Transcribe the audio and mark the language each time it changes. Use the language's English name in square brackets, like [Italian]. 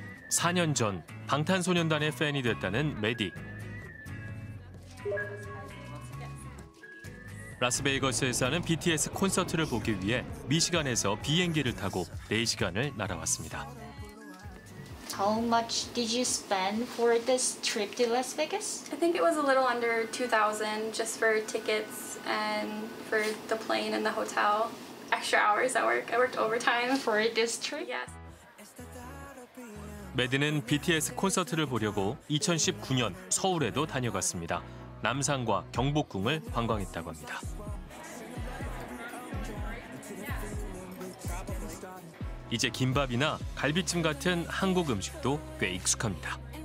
[Korean] 4년 전 방탄소년단의 팬이 됐다는 메디. 라스베이거스에 사는 BTS 콘서트를 보기 위해 미시간에서 비행기를 타고 4시간을 날아왔습니다. [English] How much did you spend for this trip to Las Vegas? I think it was a little under 2000 just for tickets and for the plane and the hotel. Extra hours at work. I worked overtime for this trip. Yes. [Korean] 메디는 BTS 콘서트를 보려고 2019년 서울에도 다녀갔습니다. 남산과 경복궁을 관광했다고 합니다. 이제 김밥이나 갈비찜 같은 한국 음식도 꽤 익숙합니다.